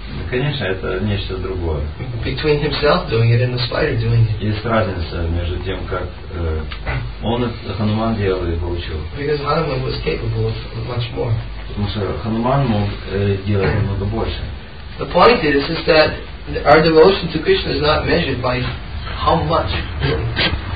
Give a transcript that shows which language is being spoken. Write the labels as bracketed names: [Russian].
[Russian] Конечно, это нечто другое. [English] Between himself doing it and the spider doing it. [Russian] Есть разница между тем, как он это, Хануман делал и получил. [English] Because Hanuman was capable of much more. [Russian] Потому что Хануман мог делать намного больше. [English] The point is that our devotion to Krishna is not measured by how much.